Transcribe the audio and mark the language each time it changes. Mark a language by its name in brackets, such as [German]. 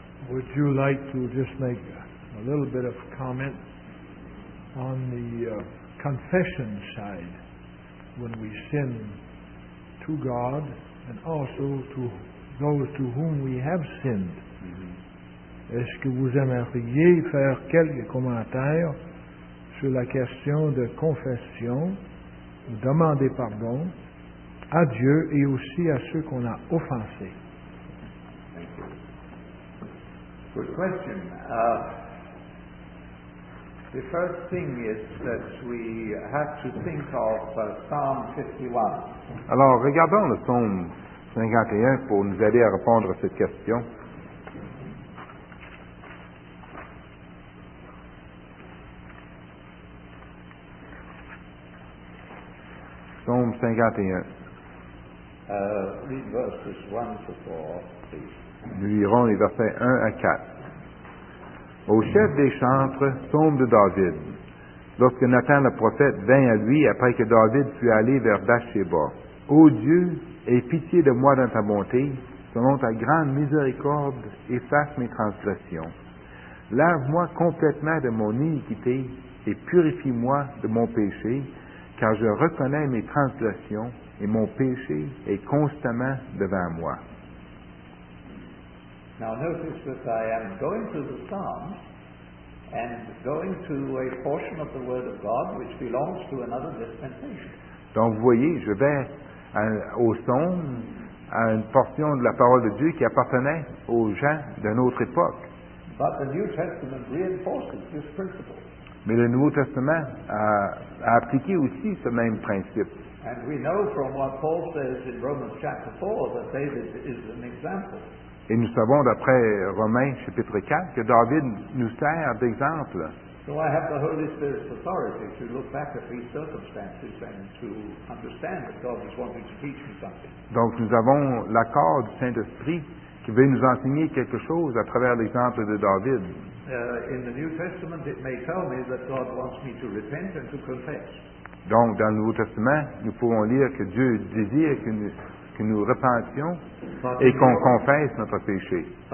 [English] Would you like to just make a little bit of comment on the confession side when we sin to God and also to those to whom we have sinned? Mm-hmm. [French] Est-ce que vous aimeriez faire quelques commentaires sur la question de confession, demander pardon à Dieu et aussi à ceux qu'on a offensés? [English] Good question. The first thing is that we have to think of Psalm 51. [French] Alors, regardons le psaume 51 pour nous aider à répondre à cette question. Psaume 51. [English] Read verses 1 to 4, please. [French] Nous lirons les versets 1 à 4. Au chef des chantres, psaume de David. Lorsque Nathan le prophète vint à lui après que David fut allé vers Bathsheba. Ô Dieu, aie pitié de moi dans ta bonté, selon ta grande miséricorde, efface mes transgressions. Lave-moi complètement de mon iniquité et purifie-moi de mon péché, car je reconnais mes transgressions et mon péché est constamment devant moi. [English] Now notice that I am going through the Psalms and going to a portion of the Word of God which belongs to another dispensation. [French] Donc vous voyez, je vais au son à une portion de la parole de Dieu qui appartenait aux gens d'une autre époque. [English] But the New Testament reinforces this principle. [French] Mais le Nouveau Testament a appliqué aussi ce même principe. [English] And we know from what Paul says in Romans chapter 4 that David is an example. [French] Et nous savons, d'après Romains, chapitre 4, que David nous sert d'exemple. [English] So I have the Holy Spirit's authority to look back at these circumstances and to understand that God is wanting to teach me something. [French] Donc, nous avons l'accord du Saint-Esprit qui veut nous enseigner quelque chose à travers l'exemple de David. [English] In the New Testament, it may tell me that God wants me to repent and to confess. [French] Donc, dans le Nouveau Testament, nous pouvons lire que Dieu désire que nous... que nous repentions et qu'on confesse notre péché.